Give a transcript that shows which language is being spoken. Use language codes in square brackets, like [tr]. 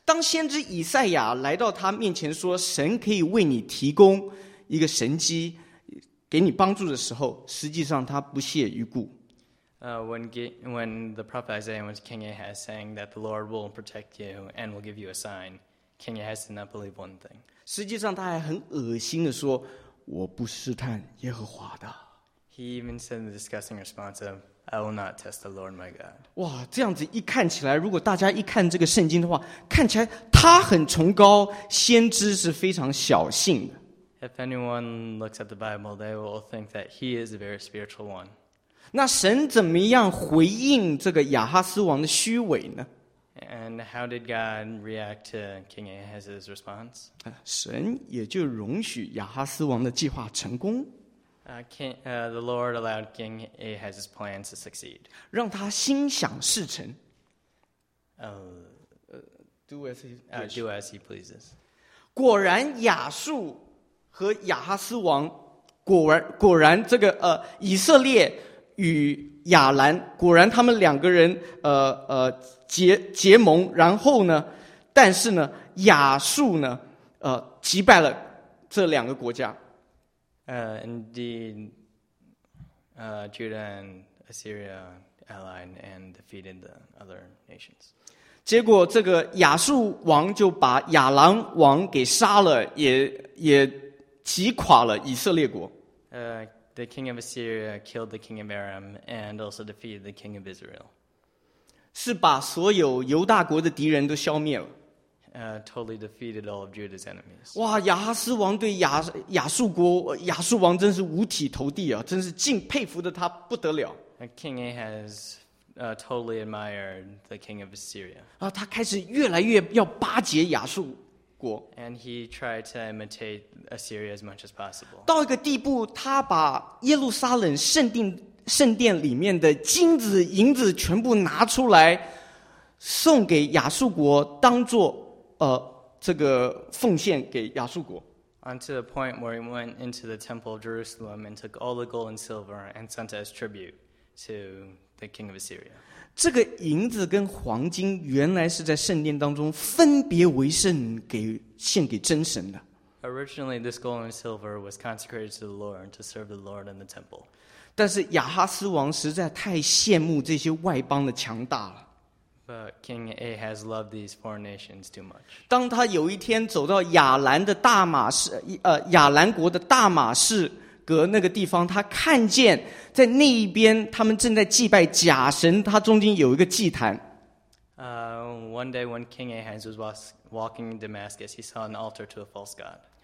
[zh] 当先知以赛亚来到他面前说，神可以为你提供一个神迹，给你帮助的时候，实际上他不屑一顾。 [en] When the prophet Isaiah went to King Ahaz saying that the Lord will protect you and will give you a sign, King Ahaz did not believe one thing. [zh] 实际上他还很恶心地说，我不试探耶和华的。 [en] He even said the disgusting response of, I will not test the Lord my God. [zh] 哇，这样子一看起来，如果大家一看这个圣经的话，看起来他很崇高，先知是非常小性的。 [en] If anyone looks at the Bible, they will think that he is a very spiritual one. [zh] 那神怎么样回应这个亚哈斯王的虚伪呢？ [en] And how did God react to King Ahaz's response? [zh] 神也就容许亚哈斯王的计划成功。 [en] The Lord allowed King Ahaz's plan to succeed. [zh] 让他心想事成。 [en] Do as he pleases. [zh] 果然亚述和亚哈斯王，果然这个以色列。与亚兰果然他们两个人结盟，然后呢，但是呢，亚述呢击败了这两个国家。 [en] Indeed, Judah and Assyria allied and defeated the other nations. [zh] 结果这个亚述王就把亚兰王给杀了，也击垮了以色列国。 [en] The king of Assyria killed the king of Aram and also defeated the king of Israel. [zh] 是把所有犹大国的敌人都消灭了。 [en] Totally defeated all of Judah's enemies. [zh] 哇，亚哈斯王对亚述王真是五体投地啊，真是敬佩服的他不得了。 [en] King Ahaz totally admire the king of Assyria. [zh] 啊，他开始越来越要巴结亚述国。 [en] And he tried to imitate Assyria as much as possible. [zh] 到一个地步，他把耶路撒冷圣殿里面的金子银子全部拿出来，送给亚述国当做这个奉献给亚述国。 [en] Unto the point where he went into the temple of Jerusalem and took all the gold and silver and sent as tribute to the king of Assyria. [zh] 这个银子跟黄金原来是在圣殿当中分别为圣给献给真神的。 [en] Originally, this gold and silver was consecrated to the Lord to serve the Lord in the temple. [zh] 但是亚哈斯王实在太羡慕这些外邦的强大了。 [en] But King Ahaz loved these foreign nations too much. [zh] 当他有一天走到亚兰的大马士，亚兰国的大马士革那个地方，他看见在那一边他们正在祭拜假神，他中间有一个祭坛。 [en] One day when King Ahaz was walking in Damascus, he saw an altar to a false god.